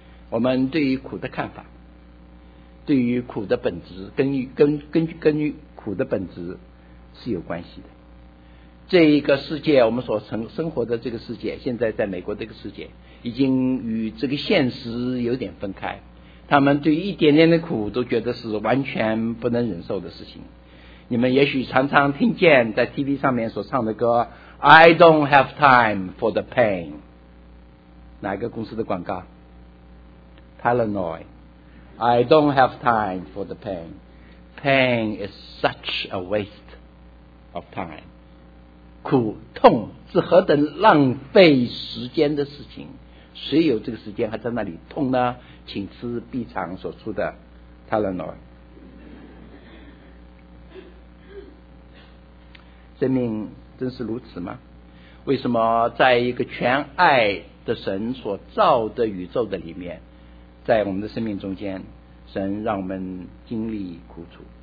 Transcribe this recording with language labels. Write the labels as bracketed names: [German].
[Chinese] 我们对于苦的看法，对于苦的本质，根据苦的本质是有关系的。这一个世界，我们所生活的这个世界，现在在美国这个世界，已经与这个现实有点分开。他们对于一点点的苦都觉得是完全不能忍受的事情。你们也许常常听见在 TV 上面所唱的歌 ， [English] I don't have time for the pain。 [Chinese] 哪个公司的广告 ？Tylenol。 [English] I don't have time for the pain. Pain is such a waste of time. [Chinese] 苦痛是何等浪费时间的事情，谁有这个时间还在那里痛呢？请吃臂肠所出的 Tylenol。生命真是如此吗？为什么在一个全爱的神所造的宇宙的里面，在我们的生命中间，神让我们经历苦楚？